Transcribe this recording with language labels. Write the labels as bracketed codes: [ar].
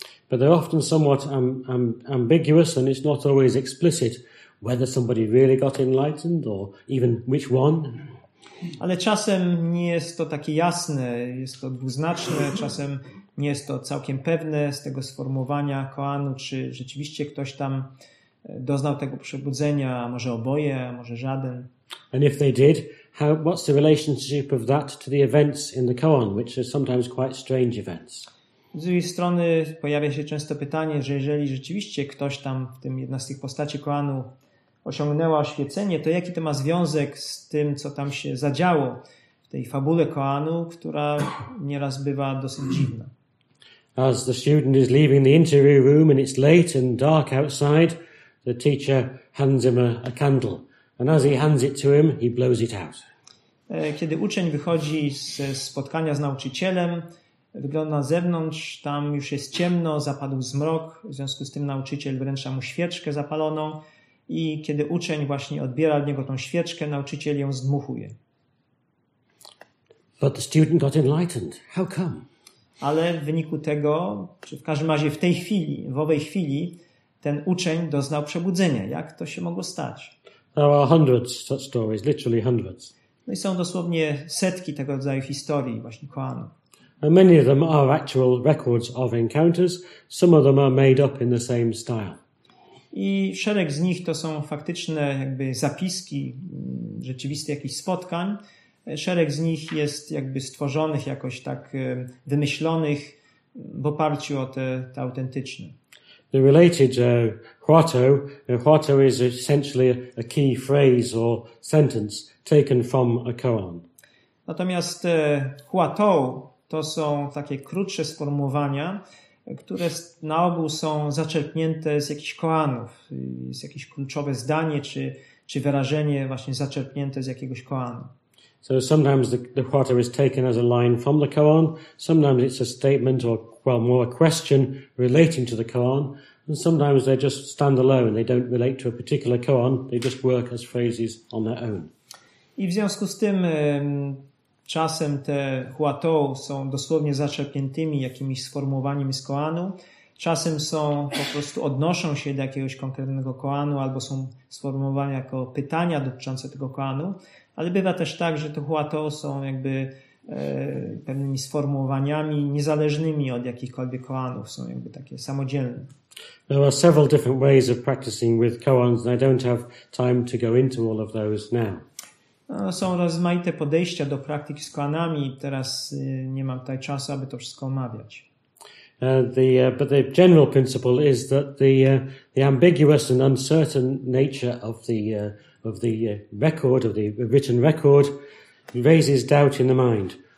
[en] But they're often somewhat ambiguous and it's not always explicit whether somebody really got enlightened or even which one. [pl] Ale czasem nie jest to takie jasne, jest to dwuznaczne, czasem nie jest to całkiem pewne z tego sformułowania koanu, czy rzeczywiście ktoś tam doznał tego przebudzenia, a może oboje, a może żaden. [en] And if they did, what's the relationship of that to the events in the koan, which are sometimes quite strange events? [pl] Z drugiej strony pojawia się często pytanie, że jeżeli rzeczywiście ktoś tam w tym jedna z tych postaci koanu osiągnęła oświecenie, to jaki to ma związek z tym, co tam się zadziało w tej fabule koanu, która nieraz bywa dosyć dziwna. [en] As the student is leaving the interview room and it's late and dark outside, the teacher hands him a candle. And as he hands it to him, he blows it out. [pl] Kiedy uczeń wychodzi ze spotkania z nauczycielem, wygląda na zewnątrz, tam już jest ciemno, zapadł zmrok, w związku z tym nauczyciel wręcza mu świeczkę zapaloną i kiedy uczeń właśnie odbiera od niego tą świeczkę, nauczyciel ją zdmuchuje. [en] But the student got enlightened. How come? [pl] Ale w wyniku tego, czy w każdym razie w tej chwili, w owej chwili, ten uczeń doznał przebudzenia. Jak to się mogło stać? [en] There are hundreds such stories, literally hundreds. [pl] No i są dosłownie setki tego rodzaju historii właśnie koanu. [en] And many of them are actual records of encounters. Some of them are made up in the same style. [pl] I szereg z nich to są faktyczne jakby zapiski rzeczywistych jakichś spotkań. Szereg z nich jest jakby stworzonych jakoś tak wymyślonych w oparciu o te autentyczne. [en] The related huatou is essentially a key phrase or sentence taken from a koan. [pl] Natomiast huatou to są takie krótsze sformułowania, które na ogół są zaczerpnięte z jakichś koanów. Jest jakieś kluczowe zdanie czy wyrażenie właśnie zaczerpnięte z jakiegoś koanu. [en] So sometimes the huatou is taken as a line from the koan, sometimes it's a statement or more a question relating to the koan, And sometimes they just stand alone, they don't relate to a particular koan, they just work as phrases on their own. [pl] I w związku z tym czasem te huato są dosłownie zaczerpniętymi jakimiś sformułowaniami z koanu, czasem są po prostu odnoszą się do jakiegoś konkretnego koanu albo są sformułowane jako pytania dotyczące tego koanu, ale bywa też tak, że te huato są jakby pewnymi sformułowaniami niezależnymi od jakichkolwiek koanów, są jakby takie samodzielne. [en] There are several different ways of practicing with koans, and I don't have time to go into all of those now. [pl] Są rozmaite podejścia do praktyki z koanami. Teraz nie mam tutaj czasu, aby to wszystko omawiać. [en] But the general principle is that the ambiguous and uncertain nature of the written record raises doubt in the mind.